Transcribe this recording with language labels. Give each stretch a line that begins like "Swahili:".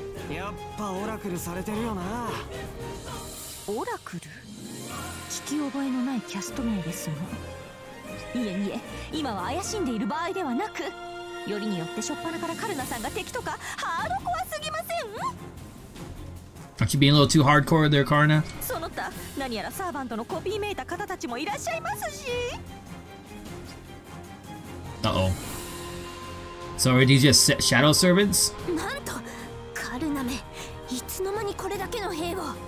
Japanese: やっぱオラクルされてるよな。オラクル？聞き覚えのないキャスト名ですの。いえいえ、今は怪しんでいる場合ではなく、よりによって初っ端からカルナさんが敵とかハードコアすぎません？
English: Aren't you being a little too hardcore there, Karna?
Japanese: その他、何やらサーバントのコピーめいた方たちもいらっしゃいますし。
English: So are these just shadow servants?
Japanese: なんと、カルナめ、いつの間にこれだけの兵を。